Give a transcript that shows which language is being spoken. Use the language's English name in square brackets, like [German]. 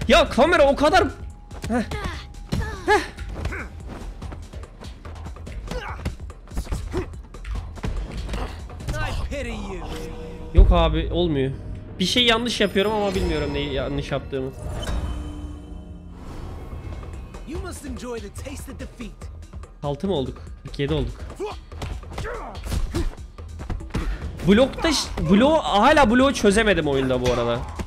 [Turkish] Ya kamera o kadar... Yok abi olmuyor. Bir şey yanlış yapıyorum ama bilmiyorum neyi yanlış yaptığımı. [English] You must enjoy the taste of defeat. [Turkish] 6 mı olduk? 2-7 olduk. Blokta bloğu hala bloğu çözemedim oyunda bu arada.